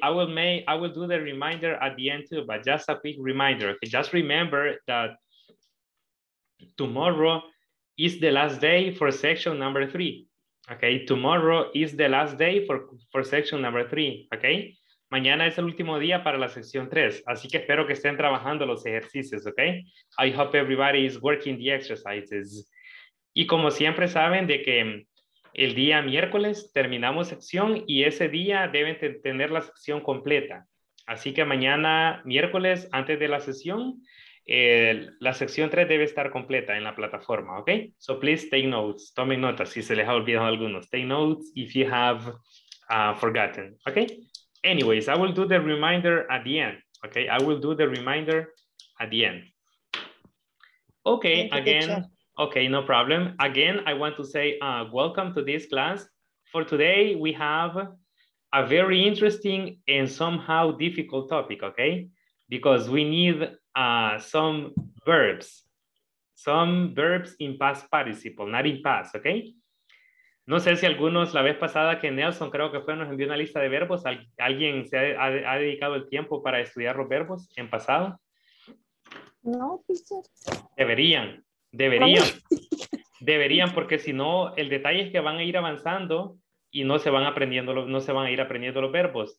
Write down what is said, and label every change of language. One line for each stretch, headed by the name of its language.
English: I will do the reminder at the end too, but just a quick reminder. Okay? Just remember that tomorrow is the last day for section number three, okay? Tomorrow is the last day for section number three, okay?
Spanish: Mañana es el último día para la sección tres, así que espero que estén trabajando los ejercicios, okay?
English: I hope everybody is working the exercises.
Spanish: Y como siempre saben de que el día miércoles terminamos sección y ese día deben tener la sección completa. Así que mañana miércoles antes de la sesión, la sección 3 debe estar completa en la plataforma, ¿ok?
English: So please take notes,
Spanish: tomen notas si se les ha olvidado algunos.
English: Take notes if you have forgotten, ¿ok? Anyways, I will do the reminder at the end, ¿ok? I will do the reminder at the end. Ok, again. Okay, no problem. Again, I want to say welcome to this class. For today, we have a very interesting and somehow difficult topic, okay? Because we need some verbs in past participle, not in past, okay?
Spanish: No sé si algunos, la vez pasada que Nelson creo que fue, nos envió una lista de verbos, alguien se ha dedicado el tiempo para estudiar los verbos en pasado.
English: No, teacher.
Spanish: Deberían. Deberían, porque si no, el detalle es que van a ir avanzando y no se van a ir aprendiendo los verbos.